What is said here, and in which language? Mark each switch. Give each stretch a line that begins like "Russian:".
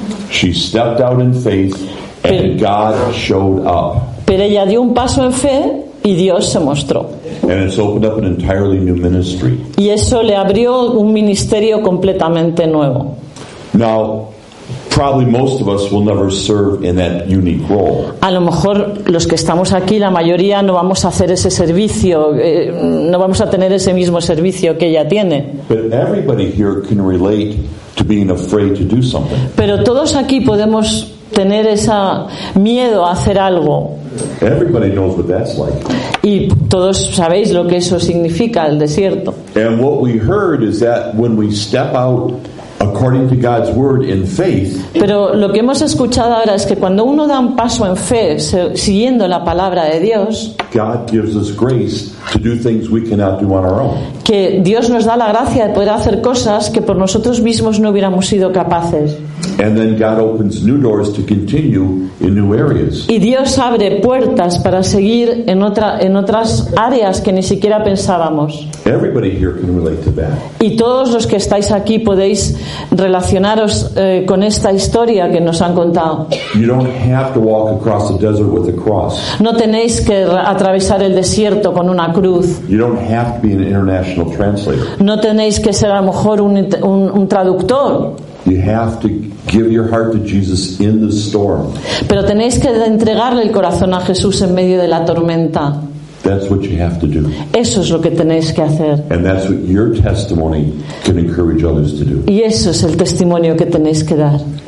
English: She stepped out in faith and God showed up.
Spanish: Pero ella dio un paso en fe y Dios se mostró.
English: And it's opened up an entirely new ministry.
Spanish: Y eso le abrió un ministerio completamente nuevo.
English: Now, probably most of us will never serve in that unique role.
Spanish: A lo mejor los que estamos aquí, la mayoría no vamos a hacer ese servicio, no vamos a tener ese mismo servicio que ella tiene.
English: But everybody here can relate to being afraid to do something.
Spanish: Pero todos aquí podemos tener ese miedo a hacer algo.
English: Everybody knows what that's like.
Spanish: Y todos sabéis lo que eso significa, el desierto.
English: And what we heard is that when we step out according to God's word in faith.
Spanish: Pero lo que hemos escuchado ahora es que cuando uno da un paso en fe, siguiendo la palabra de Dios,
English: God gives us grace to do things we cannot do on our own.
Spanish: Que Dios nos da la gracia de poder hacer cosas que por nosotros mismos no hubiéramos sido capaces.
English: And then God opens new doors to continue in new areas.
Spanish: Y Dios abre puertas para seguir en otras áreas que ni siquiera pensábamos.
English: Everybody here can relate to that.
Spanish: Y todos los que estáis aquí podéis relacionaros con esta historia que nos han contado.
English: You don't have to walk across the desert with a cross.
Spanish: No tenéis que atravesar el desierto con una cruz.
English: You don't have to be an international translator.
Spanish: No tenéis que ser a lo mejor un traductor.
English: You have to give your heart to Jesus in the storm.
Spanish: Pero tenéis que entregarle el corazón a Jesús en medio de la tormenta.
English: That's what you have to do.
Spanish: Eso es lo que tenéis que hacer.
English: And that's what your testimony can encourage others to do.
Spanish: Y eso es el testimonio que tenéis que dar.